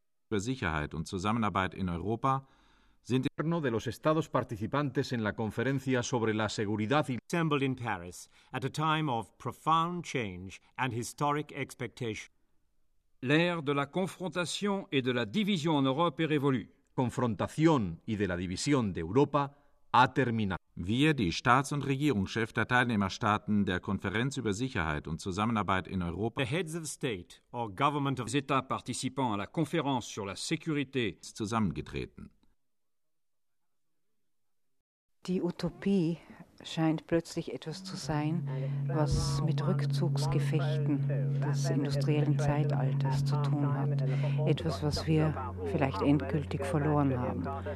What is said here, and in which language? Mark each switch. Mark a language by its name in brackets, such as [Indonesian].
[German] Für Sicherheit und Zusammenarbeit in Europa sind [Spanish] de los estados participantes en la conferencia sobre la seguridad y [English] assembled in Paris at a time of profound change and historic expectation. [French] L'ère de la confrontation et de la division en Europe est révolue. [Spanish] Confrontación y de la división de Europa ha terminado. [German] Wir, die Staats- und Regierungschefs der Teilnehmerstaaten der Konferenz über Sicherheit und Zusammenarbeit in Europa, [English] the heads of state or government of [French] États participant à la conférence sur la sécurité, [German] zusammengetreten. Die Utopie scheint plötzlich etwas zu sein, was mit Rückzugsgefechten des industriellen Zeitalters zu tun hat. Etwas, was wir vielleicht endgültig verloren haben.